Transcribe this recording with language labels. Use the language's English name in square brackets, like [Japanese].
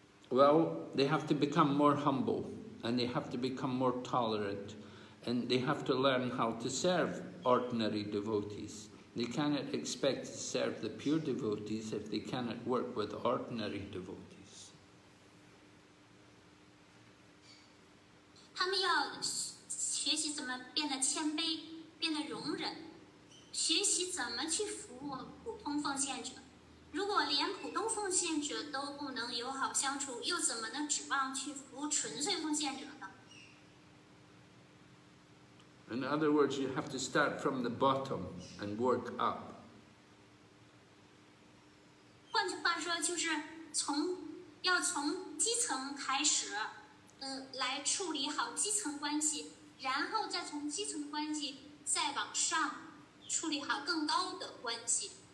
[English] Well, they have to become more humble, and they have to become more tolerant, and they have to learn how to serve ordinary devotees. They cannot expect to serve the pure devotees if they cannot work with ordinary devotees. [Chinese] 他们要学习怎么变得谦卑，变得容忍，学习怎么去服务普通奉献者。如果连普通奉献者都不能友好相处，又怎么能指望去服务纯粹奉献者呢？ [English] In other words, you have to start from the bottom and work up. [Chinese] 换句话说，就是要从基层开始，来处理好基层关系，然后再从基层关系再往上处理好更高的关系。